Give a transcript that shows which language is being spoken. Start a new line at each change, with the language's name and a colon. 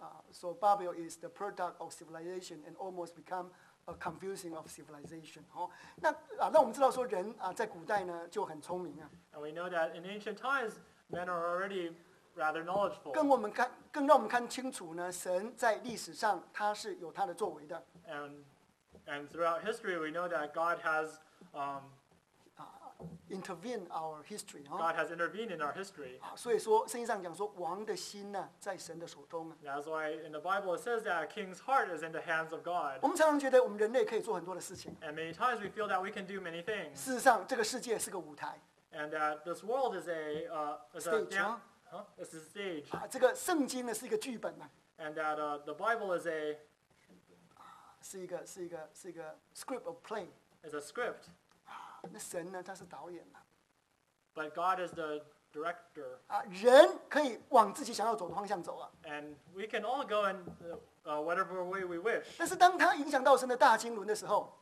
English: So Babel is the product of civilization and almost become a confusing of civilization.
Chinese: 那我们知道说人啊，在古代呢就很聪明啊。
English: And we know that in ancient times, men are already rather knowledgeable.
Chinese: 更让我们看清楚呢，神在历史上他是有他的作为的。
English: And throughout history, we know that God has intervened our history. God has intervened in our history.
Chinese: 所以说圣经上讲说王的心呢在神的手中。
English: That's why in the Bible it says that a king's heart is in the hands of God.
Chinese: 我们常常觉得我们人类可以做很多的事情。
English: And many times we feel that we can do many things.
Chinese: 事实上这个世界是个舞台。
English: And that this world is a stage. It's a stage.
Chinese: 这个圣经呢是一个剧本。
English: And that the Bible is a...
Chinese: 是一个
English: script of play. It's a script.
Chinese: 那神呢？他是导演嘛。
English: But God is the director.
Chinese: 啊，人可以往自己想要走的方向走啊。
English: And we can all go in whatever way we wish.
Chinese: 但是当他影响到神的大经纶的时候